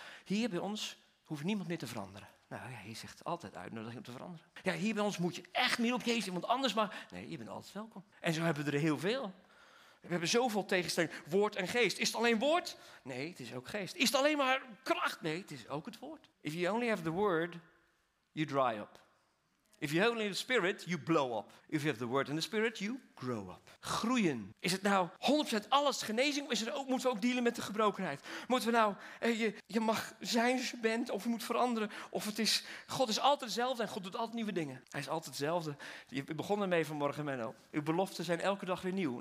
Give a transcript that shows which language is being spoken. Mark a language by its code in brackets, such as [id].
[nl] Hier bij ons hoeft niemand meer te veranderen. Nou ja, je zegt altijd uitnodiging om te veranderen. Ja, hier bij ons moet je echt meer op Jezus, iemand anders maar. Nee, je bent altijd welkom. En zo hebben we er heel veel. We hebben zoveel tegenstelling. Woord en geest. Is het alleen woord? Nee, het is ook geest. Is het alleen maar kracht? Nee, het is ook het woord. [en] If you only have the word, you dry up. If you only have the spirit, you blow up. If you have the word and the spirit, you grow up. [nl] Groeien. Is het nou 100% alles genezing? Of moeten we ook dealen met de gebrokenheid? Moeten we nou, je mag zijn zoals je bent, of je moet veranderen. Of het is, God is altijd hetzelfde en God doet altijd nieuwe dingen. Hij is altijd hetzelfde. Je begon ermee vanmorgen, Menno. Uw beloften zijn elke dag weer nieuw.